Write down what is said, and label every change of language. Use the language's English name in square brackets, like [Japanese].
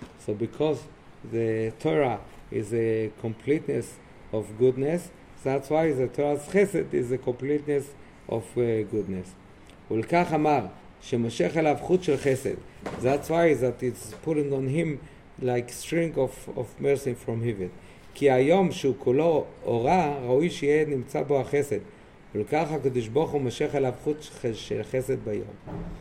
[English] So because the Torah is a completeness of goodness, that's why the Torah's חסד is a completeness of goodness. [Hebrew] ולכך אמר, שמשך אליו חוט של חסד. [English] That's why that it's pulling on him like string of mercy from heaven. [Hebrew] כי היום שהוא כולו אורה, ראוי שיהיה נמצא בו החסד. ולכך הקדוש ברוך הוא משך אליו חוט של חסד ביום.